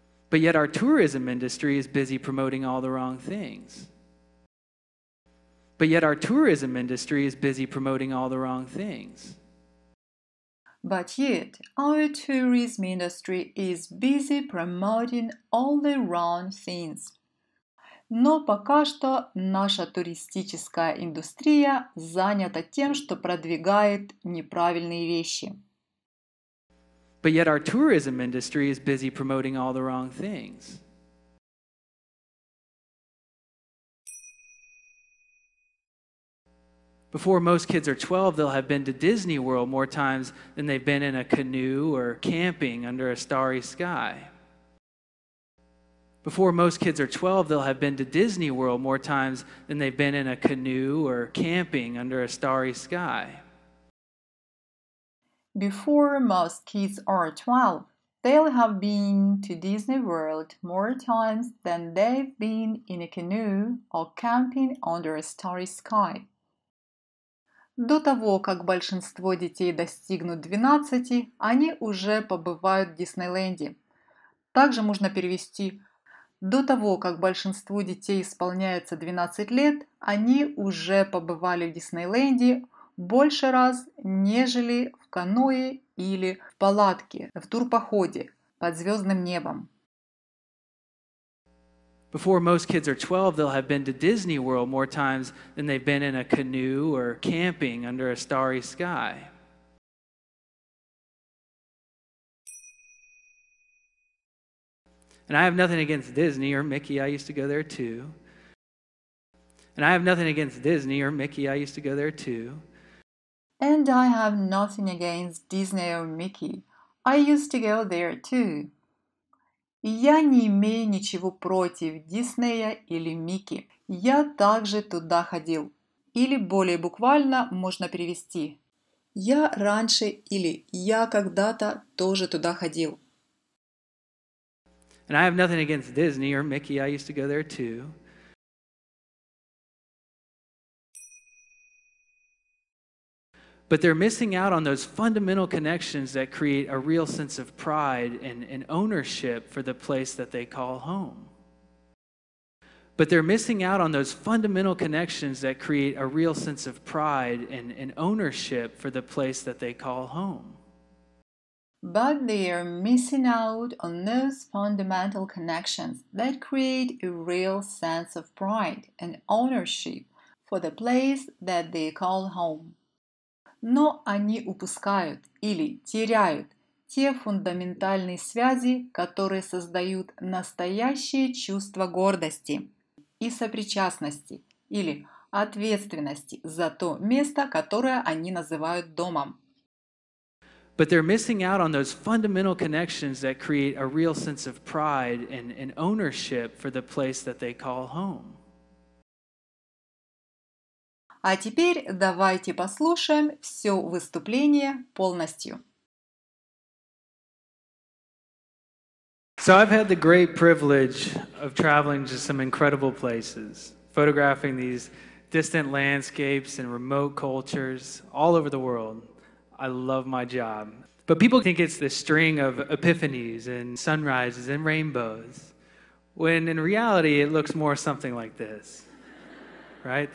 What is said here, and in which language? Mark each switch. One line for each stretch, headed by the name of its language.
English: But yet our tourism industry is busy promoting all the wrong things. But yet our tourism industry is busy promoting all the wrong things. But yet, our tourism industry is busy promoting all the wrong things.
Russian: Но пока что наша туристическая индустрия занята тем, что продвигает неправильные вещи.
English: But yet our tourism industry is busy promoting all the wrong things. Before most kids are 12, they'll have been to Disney World more times than they've been in a canoe or camping under a starry sky. Before most kids are 12, they'll have been to Disney World more times than they've been in a canoe or camping under a starry sky. Before most kids are 12, They'll have been to Disney World more times than they've been in a canoe or camping under a starry sky.
Russian: До того, как большинство детей достигнут 12, они уже побывают в Диснейленде. Также можно перевести: до того, как большинству детей исполняется 12 лет, они уже побывали в Диснейленде больше раз, нежели в каное или в палатке, в турпоходе под звездным небом.
English: Before most kids are 12, they'll have been to Disney World more times than they've been in a canoe or camping under a starry sky. And I have nothing against Disney or Mickey, I used to go there too. And I have nothing against Disney or Mickey, I used to go there too. And I have nothing against Disney or Mickey, I used to go there too.
Russian: Я не имею ничего против Диснея или Микки. Я также туда ходил. Или более буквально можно перевести: я раньше или я когда-то тоже туда ходил.
English: And I have nothing against Disney or Mickey. I used to go there too. But they're missing out on those fundamental connections that create a real sense of pride and ownership for the place that they call home. But they're missing out on those fundamental connections that create a real sense of pride and ownership for the place that they call home. But they are missing out on those fundamental connections that create a real sense of pride and ownership for the place that they call home.
Russian: Но они упускают или теряют те фундаментальные связи, которые создают настоящее чувство гордости и сопричастности или ответственности за то место, которое они называют домом. But they're missing out on those fundamental connections that create a real sense of pride and ownership for the place that they call home. А теперь давайте послушаем все выступление полностью.
English: So I've had the great privilege of traveling to some incredible places, photographing these distant landscapes and remote cultures all over the world. I love my job. But people think it's the string of epiphanies and sunrises and rainbows, when in reality it looks more something like this. Right?